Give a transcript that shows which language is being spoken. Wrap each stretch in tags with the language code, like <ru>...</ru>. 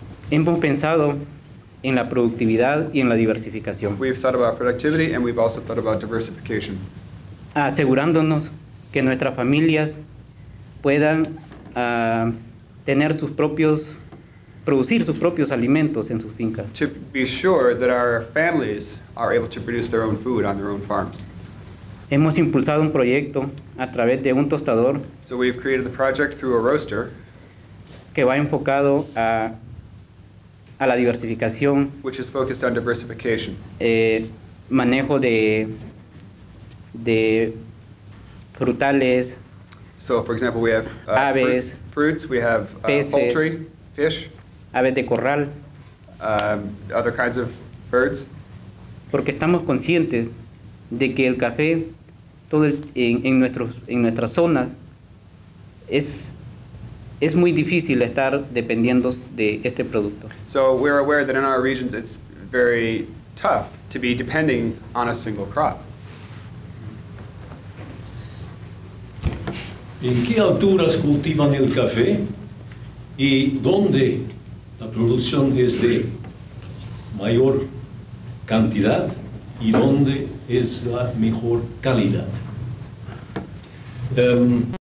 <es>Hemos pensado en la productividad y en la diversificación.</es> <en>We've thought about productivity and we've also thought about diversification.</en> <es>Asegurándonos que nuestras familias puedan tener sus propios, producir sus propios alimentos en sus fincas.</es> <en>To be sure that our families are able to produce their own food on their own farms.</en> <es>Hemos impulsado un proyecto a través de un tostador.</es> <en>So we've created the project through a roaster.</en> <es>Que va enfocado a la diversificación.</es> <en>Which is focused on diversification.</en> <es>Manejo de frutales.</es> <en>So for example we have</en> <es>aves,</es> <en>fruits, we have</en> <es>peces,</es> <en>poultry, fish.</en> <es>Aves de corral.</es> <en>Other kinds of birds.</en> <es>Porque estamos conscientes de que el café todo en nuestras zonas es muy difícil estar dependiendo de este producto.</es> <en>So we're aware that in our regions it's very tough to be depending on a single crop.</en> <es>¿En qué alturas cultivan el café y dónde la producción es de mayor cantidad y dónde es la mejor calidad?</es>